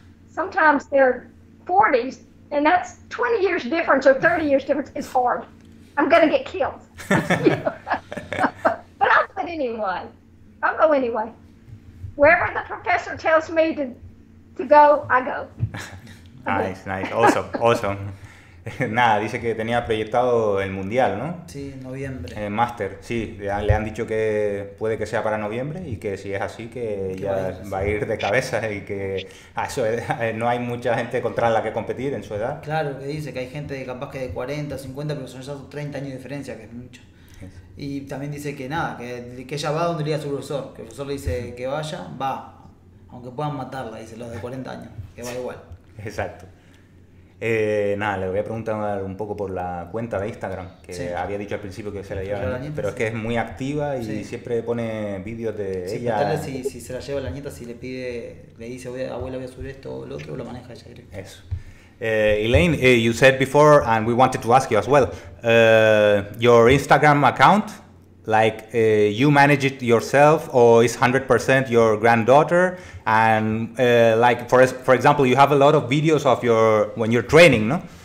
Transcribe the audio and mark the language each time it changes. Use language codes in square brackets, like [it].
[en] Sometimes they're 40s, and that's 20 years difference or 30 years difference is hard. I'm gonna get killed. But I'll do it anyway. I'll go anyway. Wherever the professor tells me to go, I go. Nice, nice, awesome, awesome. [es] Nada, dice que tenía proyectado el mundial, ¿no? Sí, en noviembre. El máster, sí. Le han dicho que puede que sea para noviembre y que si es así, que ya va a ir de cabeza y que a su edad, no hay mucha gente contra la que competir en su edad. Claro, que dice que hay gente capaz que de 40, 50, pero son esos 30 años de diferencia, que es mucho. Y también dice que nada, que ella va donde iría su profesor, que el profesor le dice que vaya, va, aunque puedan matarla, dice los de 40 años, que va igual. Exacto. Nada, le voy a preguntar un poco por la cuenta de Instagram, que sí. Había dicho al principio que se la lleva, pero es que es muy activa y sí. Siempre pone vídeos de sí, ella. Si se la lleva la nieta, si le pide, le dice, abuela, voy a subir esto o lo otro, lo maneja ella, creo. Eso. [en] Elaine, you said before, and we wanted to ask you as well, your Instagram account, like you manage it yourself, or is 100% your granddaughter? And like for example, you have a lot of videos of your when you're training, no?